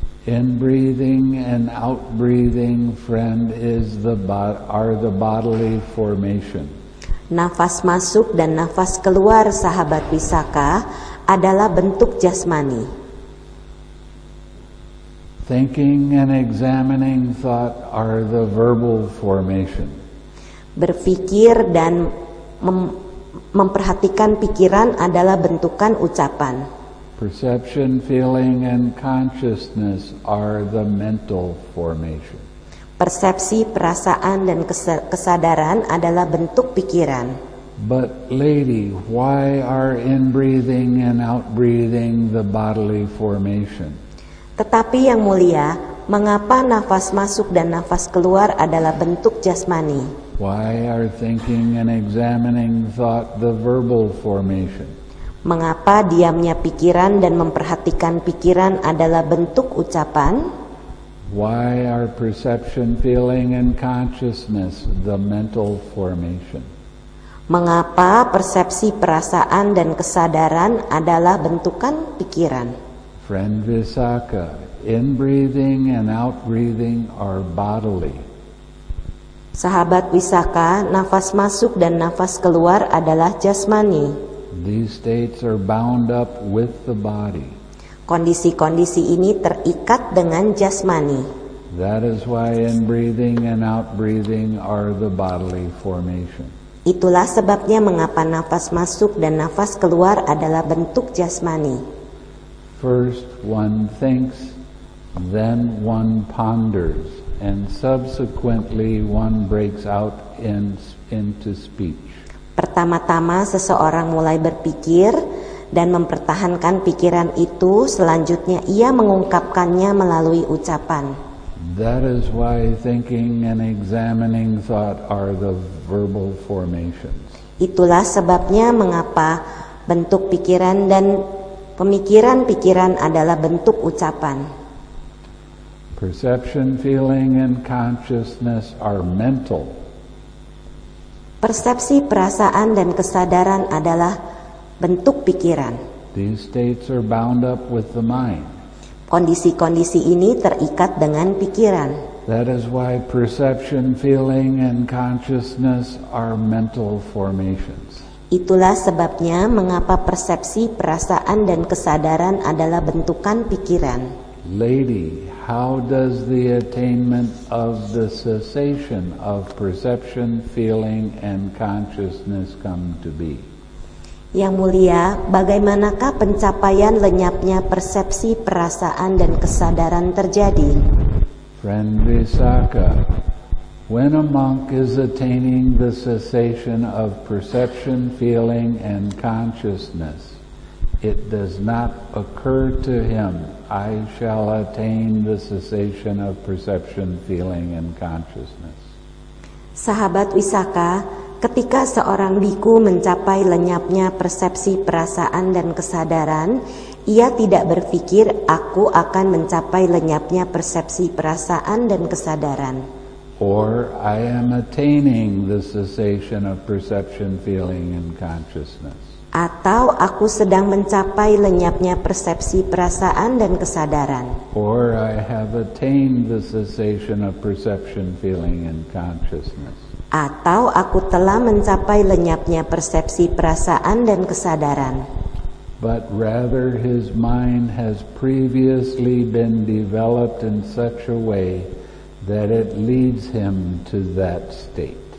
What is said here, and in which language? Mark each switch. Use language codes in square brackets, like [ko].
[en] In breathing and out breathing, friend, are the bodily formation. [id] Nafas masuk dan nafas keluar, sahabat Visakha, adalah bentuk jasmani. [en] Thinking and examining thought are the verbal formation. [id] Berpikir dan memperhatikan pikiran adalah bentukan ucapan. [en] Perception, feeling, and consciousness are the mental formation. [id] Persepsi, perasaan, dan kesadaran adalah bentuk pikiran. [en] But lady, why are in breathing and out breathing the bodily formation? [id] Tetapi yang mulia, mengapa nafas masuk dan nafas keluar adalah bentuk jasmani? [en] Why are thinking and examining thought the verbal formation? [id] Mengapa diamnya pikiran dan memperhatikan pikiran adalah bentuk ucapan? [en] Why are perception, feeling, and consciousness the mental formation? [id] Mengapa persepsi, perasaan, dan kesadaran adalah bentukan pikiran? [en] Friend Visakha, in breathing and out breathing are bodily. [id] Sahabat Visakha, nafas masuk dan nafas keluar adalah jasmani. [en] These states are bound up with the body. [id] Kondisi-kondisi ini terikat dengan jasmani. [en] That is why in breathing and out breathing are the bodily formation. [id] Itulah sebabnya mengapa nafas masuk dan nafas keluar adalah bentuk jasmani. [en] First one thinks, then one ponders, and subsequently one breaks out into speech. [id] Pertama-tama seseorang mulai berpikir dan mempertahankan pikiran itu, selanjutnya ia mengungkapkannya melalui ucapan. [en] That is why thinking and examining thought are the verbal formations. [id] Itulah sebabnya mengapa bentuk pikiran dan pemikiran-pikiran adalah bentuk ucapan. [en] Perception, feeling, and consciousness are mental. [id] Persepsi, perasaan, dan kesadaran adalah bentuk pikiran. [en] These states are bound up with the mind. [id] Kondisi-kondisi ini terikat dengan pikiran. [en] That is why perception, feeling, and consciousness are mental formations. [id] Itulah sebabnya mengapa persepsi, perasaan, dan kesadaran adalah bentukan pikiran. [en] Lady, how does the attainment of the cessation of perception, feeling, and consciousness come to be? [id] Yang mulia, bagaimanakah pencapaian lenyapnya persepsi, perasaan, dan kesadaran terjadi? [en] Friend Visakha, when a monk is attaining the cessation of perception, feeling, and consciousness, it does not occur to him, I shall attain the cessation of perception, feeling, and consciousness. [id] Sahabat Visakha, ketika seorang bhikkhu mencapai lenyapnya persepsi, perasaan, dan kesadaran, ia tidak berpikir, aku akan mencapai lenyapnya persepsi, perasaan, dan kesadaran. [en] Or, I am attaining the cessation of perception, feeling, and consciousness. [id] Atau aku sedang mencapai lenyapnya persepsi, perasaan, dan kesadaran. [en] Or I have attained the cessation of perception, feeling, and consciousness. [id] Atau aku telah mencapai lenyapnya persepsi, perasaan, dan kesadaran. [en] But rather his mind has previously been developed in such a way that it leads him to that state.